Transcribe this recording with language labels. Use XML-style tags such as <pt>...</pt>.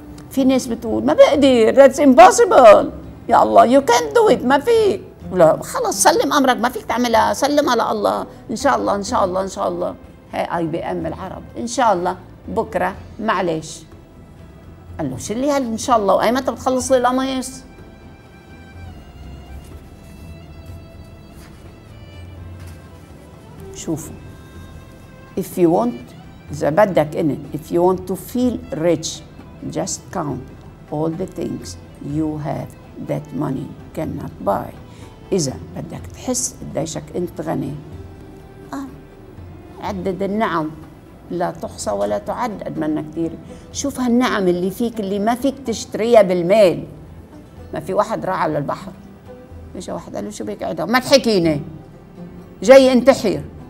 <ar>في ناس بتقول ما بقدر،</ar> <en>that's impossible.</en> <ar>يا الله</ar> <en>you can't do it،</en> <ar>ما في. لا خلص سلم امرك، ما فيك تعملها، سلمها لله. ان شاء الله ان شاء الله ان شاء الله. هاي اي بي ام العرب، ان شاء الله بكره معلش. قال له شو اللي هل ان شاء الله، وايمتى بتخلص لي القميص؟ شوفوا،</ar> <en>if you want،</en> <ar>اذا بدك انت،</ar> <en>if you want to feel rich just count all the things you have that money cannot buy.</en> <ar>اذا بدك تحس قديشك انت غني، عدد النعم لا تحصى ولا تعد، قد ما انها كثير. شوف هالنعم اللي فيك اللي ما فيك تشتريها بالمال. ما في واحد راعى للبحر، اجى واحد قال له شو بك قاعد ما تحكيني، جاي انتحر.</ar>